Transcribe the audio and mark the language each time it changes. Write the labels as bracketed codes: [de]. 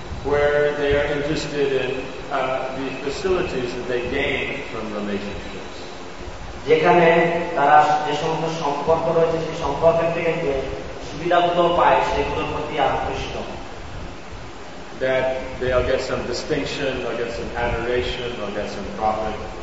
[en] where they are interested in the facilities that they gain from relationships. [bn] যেখানে তারা যে সমস্ত সম্পর্ক রয়েছে সেই সম্পর্কের থেকে যে সুবিধাগুলো পায় সেগুলোর প্রতি আকৃষ্ট. [en] That they'll get some distinction, they'll get some adoration, they'll get some profit.